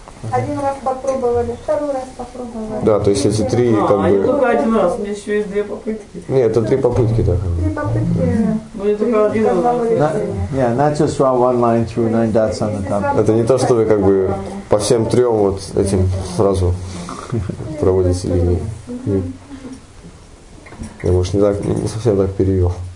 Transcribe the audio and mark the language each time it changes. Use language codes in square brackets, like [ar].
[ru] Один раз попробовали, второй раз попробовали. Да, то есть эти три, Они только один раз, у меня еще есть две попытки. Нет, это три попытки, да. Три попытки. Мне только один раз. [en] Yeah, not just draw one line through nine dots on the top. [ru] Это не то, что вы как бы по всем трем вот этим сразу проводите линии. Я, может, не совсем так перевел.